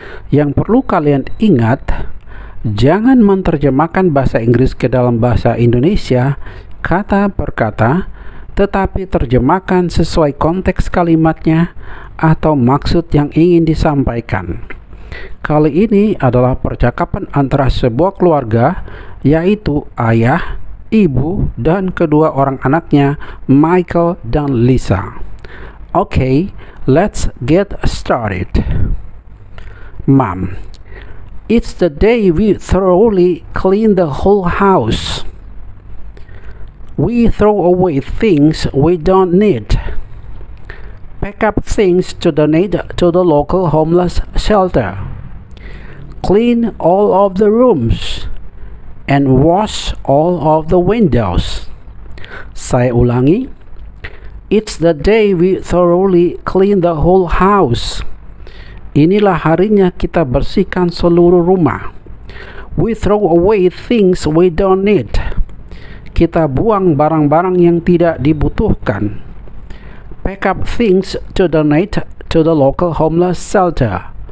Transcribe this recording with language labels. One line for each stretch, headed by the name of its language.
Indonesian: Yang perlu kalian ingat, jangan menerjemahkan bahasa Inggris ke dalam bahasa Indonesia kata per kata, tetapi terjemahkan sesuai konteks kalimatnya atau maksud yang ingin disampaikan. Kali ini adalah percakapan antara sebuah keluarga, yaitu ayah, ibu, dan kedua orang anaknya, Michael dan Lisa.
English: Okay, let's get started. Mom, it's the day we thoroughly clean the whole house. We throw away things we don't need. Pack up things to donate to the local homeless shelter. Clean all of the rooms and wash all of the windows.
Indonesian: Saya ulangi.
English: It's the day we thoroughly clean the whole house.
Indonesian: Inilah harinya kita bersihkan seluruh rumah.
English: We throw away things we don't need.
Indonesian: Kita buang barang-barang yang tidak dibutuhkan.
English: Pack up things to donate to the local homeless shelter.